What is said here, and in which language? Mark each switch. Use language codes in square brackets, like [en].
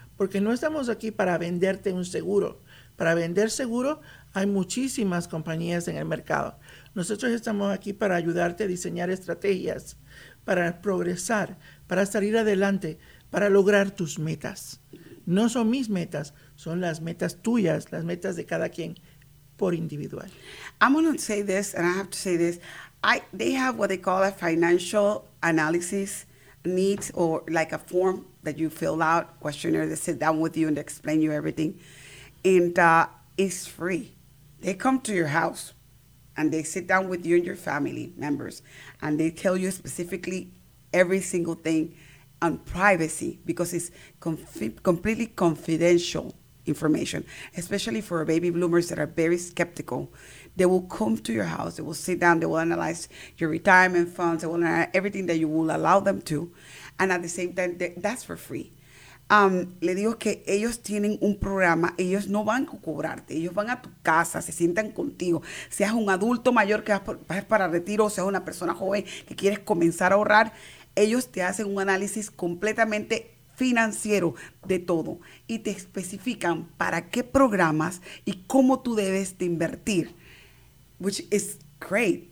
[es] Porque no estamos aquí para venderte un seguro. Para vender seguro hay muchísimas compañías en el mercado. Nosotros estamos aquí para ayudarte a diseñar estrategias, para progresar, para salir adelante, para lograr tus metas. No son mis metas, son las metas tuyas, las metas de cada quien por individual. [en] I'm going to say this, and I have to say this. They have what they call a financial analysis needs, or like a form that you fill out, questionnaire, they sit down with you and they explain you everything. And it's free. They come to your house. and they sit down with you and your family members, and they tell you specifically every single thing on privacy, because it's completely confidential information, especially for baby bloomers that are very skeptical. They will come to your house, they will sit down, they will analyze your retirement funds, they will analyze everything that you will allow them to, and at the same time, that's for free. [es] Le digo que ellos tienen un programa, ellos no van a cobrarte, ellos van a tu casa, se sientan contigo, seas un adulto mayor que vas para retiro, seas una persona joven que quieres comenzar a ahorrar, ellos te hacen un análisis completamente financiero de todo y te especifican para qué programas y cómo tú debes de invertir, [en] which is great.